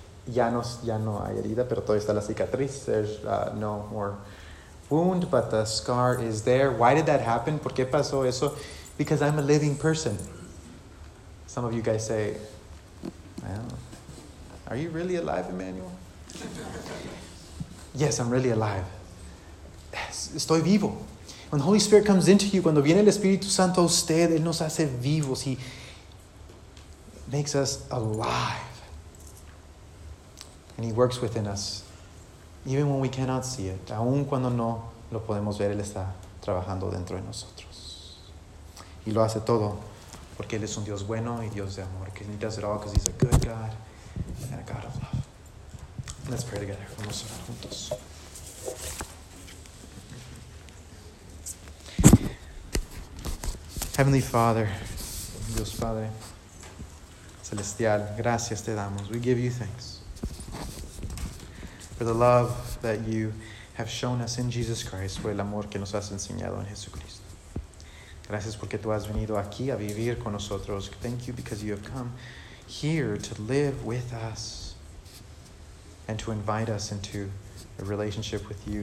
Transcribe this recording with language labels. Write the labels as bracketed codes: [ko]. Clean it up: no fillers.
[es] Ya no hay herida, pero todavía está la cicatriz. [en] There's no more wound, but the scar is there. Why did that happen? [es] ¿Por qué pasó eso? [en] Because I'm a living person. Some of you guys say, well, are you really alive, Emmanuel? Yes, I'm really alive. [es] Estoy vivo. [en] When the Holy Spirit comes into you, [es] cuando viene el Espíritu Santo a usted, Él nos hace vivos. [en] He makes us alive. And He works within us, even when we cannot see it. [es] Aun cuando no lo podemos ver, Él está trabajando dentro de nosotros. Y lo hace todo porque Él es un Dios bueno y Dios de amor. [en] He does it all because He's a good God and a God of love. Let's pray together. [es] Vamos a orar juntos. Heavenly Father, Dios Padre Celestial, gracias te damos. [en] We give you thanks for the love that you have shown us in Jesus Christ, [es] por el amor que nos has enseñado en Jesucristo. Gracias porque tú has venido aquí a vivir con nosotros. [en] Thank you because you have come here to live with us and to invite us into a relationship with you.